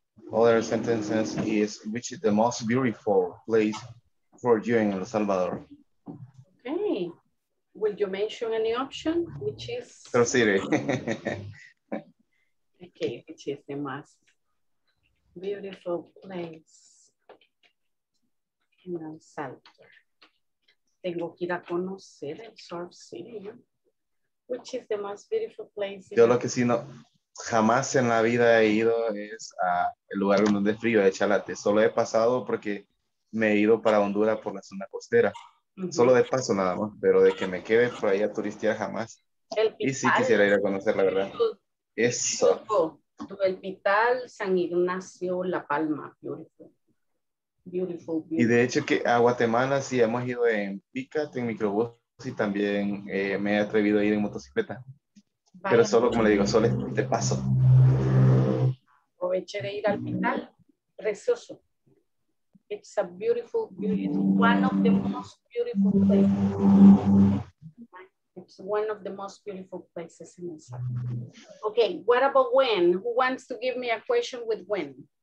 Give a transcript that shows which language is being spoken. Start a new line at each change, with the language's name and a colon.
English: other sentences is, which is the most beautiful place for you in El Salvador? Hey, will you mention any option, which is? Third city. Okay, which is the most beautiful place in El Salvador.
Spanish: Tengo que ir a conocer el Surf City.
English: Which is the most beautiful place?
Spanish: Yo lo que sí no, jamás en la vida he ido es a el lugar donde es frío, de Chalate. Solo he pasado porque me he ido para Honduras por la zona costera. Uh-huh. Solo de paso nada más, pero de que me quede por ahí a turistear jamás. El y sí quisiera ir a conocer, la verdad. Eso.
English: El Pital, San Ignacio, La Palma. Beautiful.
Spanish: Y de hecho que a Guatemala sí hemos ido en Picat, en microbús, y también me he atrevido a ir en motocicleta. Vaya, pero solo, como le digo, solo de paso. Aproveché de ir al Pital. Precioso.
English: It's a beautiful, beautiful, one of the most beautiful places. It's one of the most beautiful places in Minnesota. Okay, what about when? Who wants to give me a question with when?